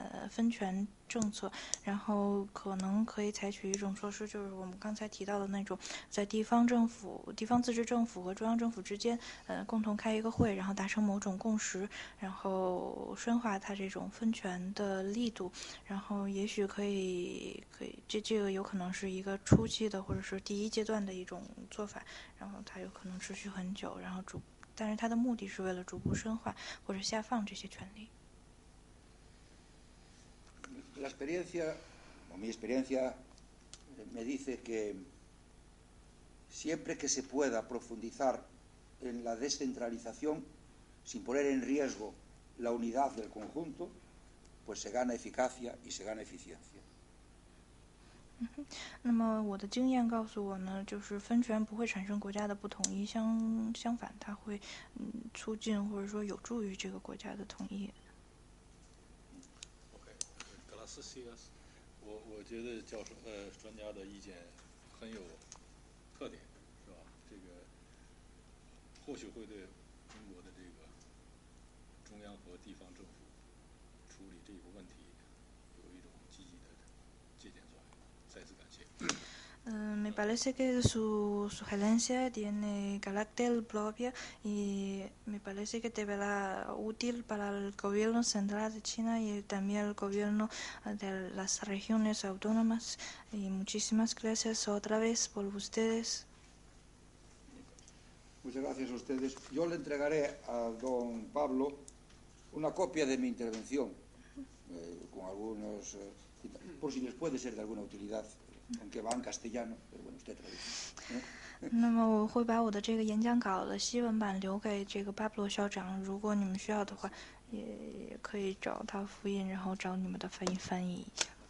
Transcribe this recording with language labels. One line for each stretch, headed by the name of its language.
Chinese: 分权政策，然后可能可以采取一种措施，就是我们刚才提到的那种，在地方政府、地方自治政府和中央政府之间，共同开一个会，然后达成某种共识，然后深化它这种分权的力度，然后也许可以，这个有可能是一个初期的，或者是第一阶段的一种做法，然后它有可能持续很久，然后但是它的目的是为了逐步深化或者下放这些权利。
Spanish: La experiencia, o mi experiencia, me dice que siempre que se pueda profundizar en la descentralización sin poner en riesgo la unidad del conjunto, pues se gana eficacia y se gana eficiencia.
Chinese: 那么我的经验告诉我呢，就是分权不会产生国家的不统一，相反，它会促进或者说有助于这个国家的统一。我觉得教授专家的意见很有特点，是吧？这个或许会对中国的这个中央和地方政府处理这个问题有一种积极的借鉴作用。再次感谢。
Spanish: Me parece que su sugerencia tiene carácter propio y me parece que deberá útil para el gobierno central de China y también el gobierno de las regiones autónomas. Y muchísimas gracias otra vez por ustedes. Muchas gracias a ustedes. Yo le entregaré a don Pablo una copia de mi intervención, con algunos, por si les puede ser de alguna utilidad. Aunque va en castellano, pero bueno, usted traduce.
Chinese: 那么我会把我的这个演讲稿的西文版留给这个巴布罗校长，如果你们需要的话，也可以找他复印，然后找你们的翻译一下。